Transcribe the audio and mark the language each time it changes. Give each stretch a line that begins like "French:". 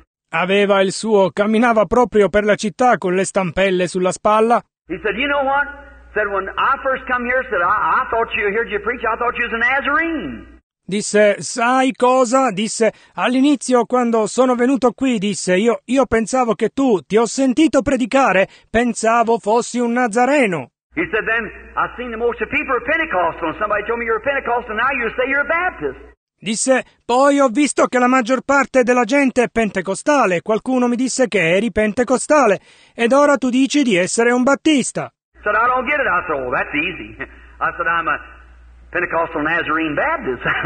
Italian: Aveva il suo, camminava proprio per la città con le stampelle sulla spalla.
English: He said, you know what? Said, when I first come here, said, I thought you heard you preach, I thought you was a Nazarene.
Italian: Disse, sai cosa? Disse, all'inizio quando sono venuto qui, disse, io pensavo che tu ti ho sentito predicare, pensavo fossi un Nazareno.
English: He said, then I've seen the most of people are Pentecostal, and somebody told me you're a Pentecostal, and now you say you're a Baptist.
Italian: Disse, poi ho visto che la maggior parte della gente è pentecostale, qualcuno mi disse che eri pentecostale, ed ora tu dici di essere un Battista.
English: Said, I don't get it. I said, oh, that's easy. I said, I'm a Pentecostal Nazarene Baptist.